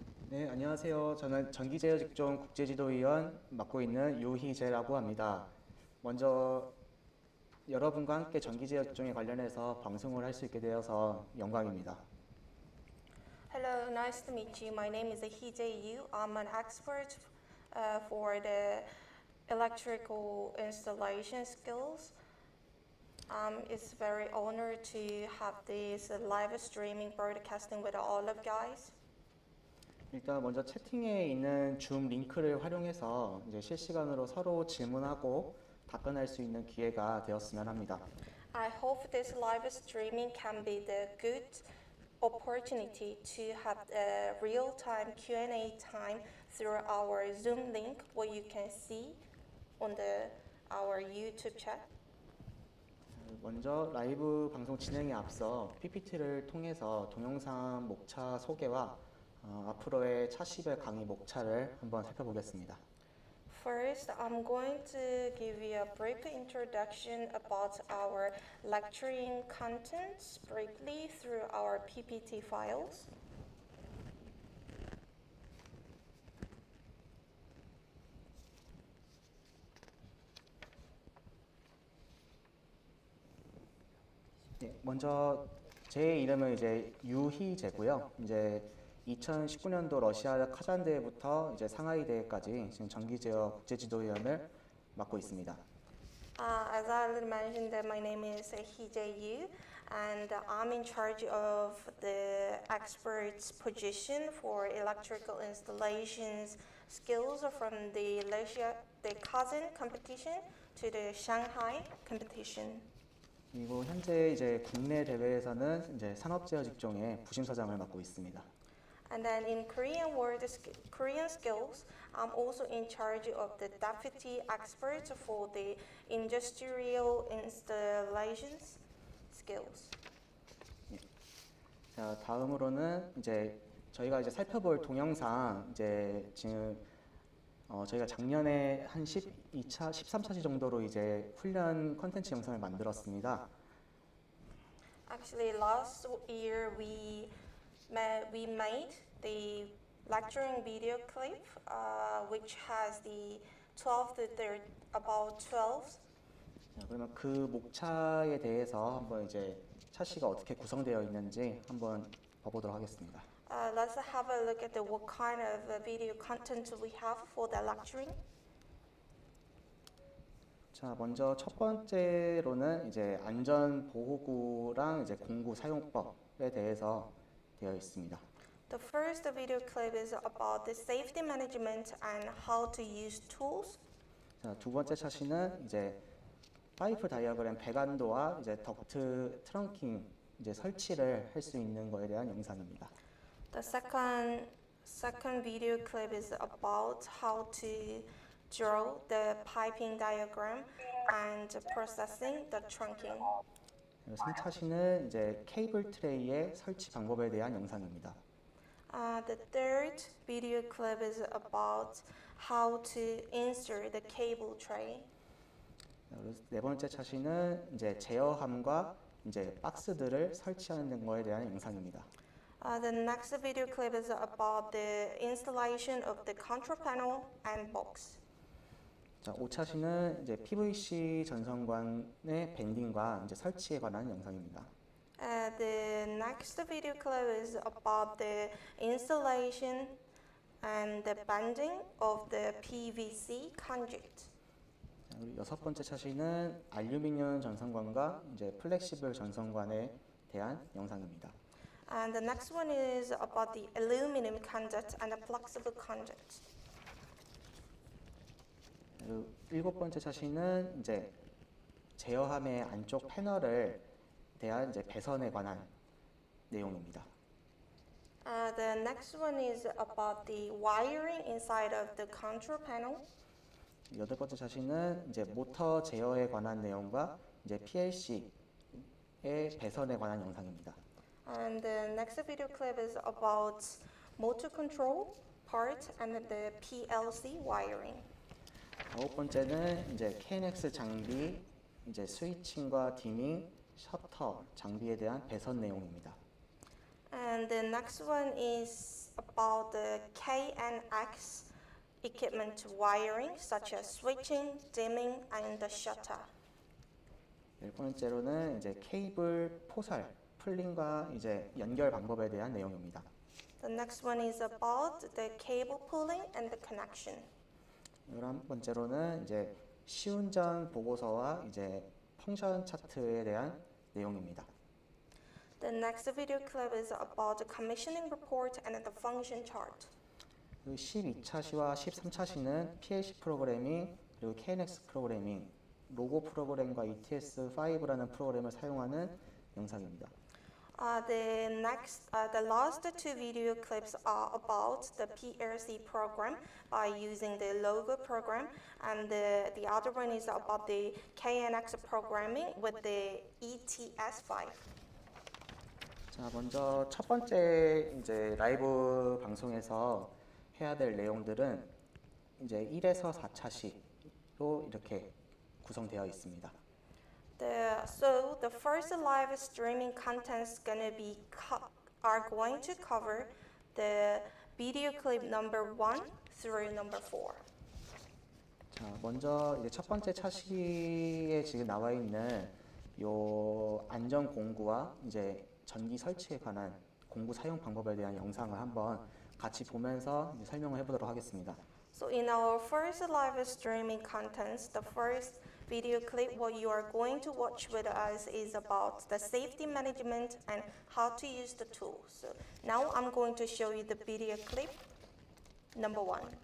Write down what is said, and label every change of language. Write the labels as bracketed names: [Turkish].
[Korean] 네, 안녕하세요. 저는 전기제어직종 국제지도위원 맡고 있는 유희재라고 합니다. 먼저 여러분과 함께 전기제어직종에 관련해서 방송을 할수 있게 되어서 영광입니다. [English] Hello, nice to meet you. My name is Hee-jae Yoo. I'm an expert for the electrical installation skills. It's very honored to have this live streaming broadcasting with all of guys. [Korean] 일단 먼저 채팅에 있는 줌 링크를 활용해서 이제 실시간으로 서로 질문하고 답변할 수 있는 기회가 되었으면 합니다. [English] I hope this live streaming can be the good opportunity to have a real-time Q&A time through our Zoom link, what you can see on our YouTube chat. [Korean] 먼저 라이브 방송 진행에 앞서 PPT를 통해서 동영상 목차 소개와 앞으로의 차시별 강의 목차를 한번 살펴보겠습니다. [English] First, I'm going to give you a brief introduction about our lecturing contents briefly through our PPT files. [Korean] 네, 먼저 제 이름은 이제 유희재고요. 이제 2019년도 러시아 카잔 대회부터 이제 상하이 대회까지 지금 전기제어 국제지도위원을 맡고 있습니다. [English] As I already mentioned, my name is Hee-jae Yoo, and I'm in charge of the experts position for electrical installations skills from the Russia, the Kazan competition to the Shanghai competition. [Korean] 그리고 현재 이제 국내 대회에서는 이제 산업제어 직종의 부심사장을 맡고 있습니다. [English] And then in Korean skills, I'm also in charge of the deputy experts for the industrial installations skills. [Korean] 자, 다음으로는 이제 저희가 이제 살펴볼 동영상, 이제 지금 저희가 작년에 한 12차, 13차시 정도로 이제 훈련 컨텐츠 영상을 만들었습니다. [English] Actually, last year we made the lecturing video clip, which has the 12 to 30, about 12. [Korean] 그러면 그 목차에 대해서 한번 이제 차시가 어떻게 구성되어 있는지 한번 봐보도록 하겠습니다. [English] Let's have a look at what kind of video content we have for the lecturing. [Korean] 자, 먼저 첫 번째로는 이제 안전보호구랑 이제 공구 사용법에 대해서 되어 있습니다. [English] The first video clip is about the safety management and how to use tools. [Korean] 자, 두 번째 차시는 이제 파이프 다이어그램 배관도와 이제 덕트 트렁킹 이제 설치를 할수 있는 거에 대한 영상입니다. [English] The second video clip is about how to draw the piping diagram and processing the trunking. [Korean] 세 차시는 이제 케이블 트레이의 설치 방법에 대한 영상입니다. [English] The third video clip is about how to insert the cable tray. [Korean] 네 번째 차시는 이제 제어함과 이제 박스들을 설치하는 것에 대한 영상입니다. [English] The next video clip is about the installation of the control panel and box. [Korean] 자, 5차시는 이제 PVC 전선관의 밴딩과 이제 설치에 관한 영상입니다. [English] The next video clip is about the installation and the bending of the PVC conduit. [Korean] 여섯 번째 차시는 알루미늄 전선관과 이제 플렉시블 전선관에 대한 영상입니다. [English] And the next one is about the aluminum conduit and the flexible conduit. [Korean] 일곱 번째 차시는 이제 제어함의 안쪽 패널에 대한 이제 배선에 관한 내용입니다. [English] The next one is about the wiring inside of the control panel. [Korean] 여덟 번째 차시는 이제 모터 제어에 관한 내용과 이제 PLC의 배선에 관한 영상입니다. [English] And the next video clip is about motor control part and the PLC wiring. [Korean] 아홉 번째는 이제 KNX 장비 이제 스위칭과 디밍, 셔터 장비에 대한 배선 내용입니다. [English] And the next one is about the K and X equipment wiring, such as switching, dimming, and the shutter. [Korean] 네 번째로는 이제 케이블 포설, 풀링과 이제 연결 방법에 대한 내용입니다. [English] The next one is about the cable pulling and the connection. [Korean] 다음 번째로는 이제 시운전 보고서와 이제 펑션 차트에 대한 내용입니다. [English] The next video clip is about the commissioning report and the function chart. [Korean] 12차 시와 13차 시는 PLC 프로그래밍 그리고 KNX 프로그래밍 로고 프로그램과 ETS5라는 프로그램을 사용하는 영상입니다. [English] The last two video clips are about the PLC program by using the logo program, and the other one is about the KNX programming with the ETS5. [Korean] 자, 먼저 첫 번째 이제 라이브 방송에서 해야 될 내용들은 이제 1에서 4차 시로 이렇게 구성되어 있습니다. [English] So the first live streaming contents gonna be are going to cover the video clip number 1 through number 4. [Korean] 자, 먼저 이제 첫 번째 차시에 지금 나와 있는 요 안전 공구와 이제 전기 설치에 관한 공구 사용 방법에 대한 영상을 한번 같이 보면서 이제 설명을 해 보도록 하겠습니다. [English] So in our first live streaming contents, the first video clip what you are going to watch with us is about the safety management and how to use the tool. So now I'm going to show you the video clip number 1.